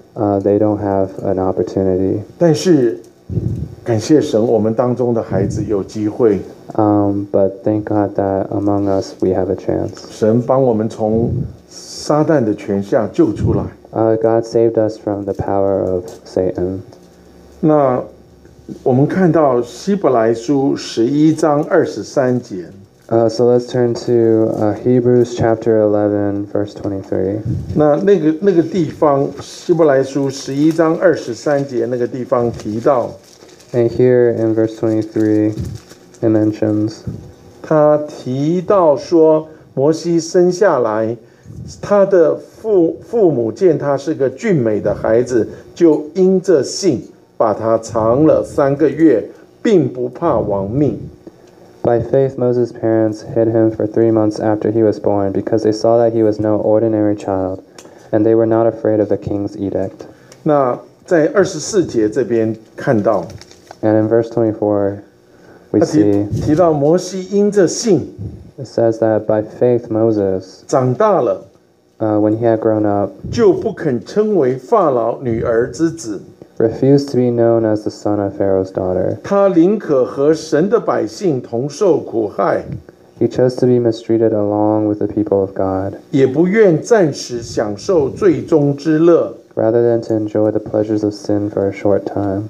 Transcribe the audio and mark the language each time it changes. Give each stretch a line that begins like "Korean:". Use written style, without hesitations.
English: They don't have an opportunity.
Chinese: 但是感谢神，我们当中的孩子有机会。
English: But thank God that among us we have a chance.
Chinese: 神帮我们从撒旦的权下救出来。
English: God saved us from the power of Satan.
Chinese: 那我们看到希伯来书十一章二十三节。
English: So let's turn to Hebrews chapter 11, verse 23.
Chinese: 那个地方，希伯来书十一章二十三节那个地方提到。
English: And here in verse 23. It mentions.
Chinese: 他提到说摩西生下来他的 父母见他是个俊美的孩子就因着信把他藏了三个月并不怕亡命。
English: By faith, Moses' parents hid him for 3 months after he was born because they saw that he was no ordinary child, and they were not afraid of the king's edict.
Chinese: 那在24节这边看到。
English: And in verse 24, we see,
Chinese: 提到摩西因着信。
English: It says that by faith, Moses,
Chinese: 长大了,
English: when he had grown up,
Chinese: 就不肯称为法老女儿之子。
English: Refused to be known as the son of Pharaoh's daughter.
Chinese: 他宁可和神的百姓同受苦害。
English: He chose to be mistreated along with the people of God.
Chinese: 也不愿暂时享受最终之乐。
English: Rather than to enjoy the pleasures of sin for a short time.